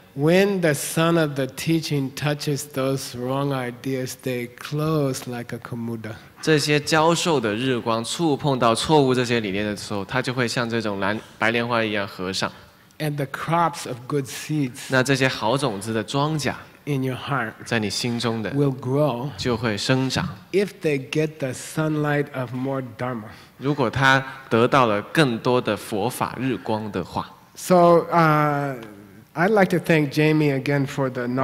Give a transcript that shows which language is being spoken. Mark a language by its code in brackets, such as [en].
[en] ？When the sun of the teaching touches those wrong ideas, they close like a kumuda. [zh] 这些教授的日光触碰到错误这些理念的时候，它就会像这种蓝白莲花一样合上。 [en] And the crops of good seeds. [zh] 那这些好种子的庄稼 [en] ，in your heart， [zh] 在你心中的 [en] ，will grow， [zh] 就会生长。 [en] If they get the sunlight of more dharma. [zh] 如果他得到了更多的佛法日光的话。 [en] So, I'd like to thank Jamie again for the knowledge.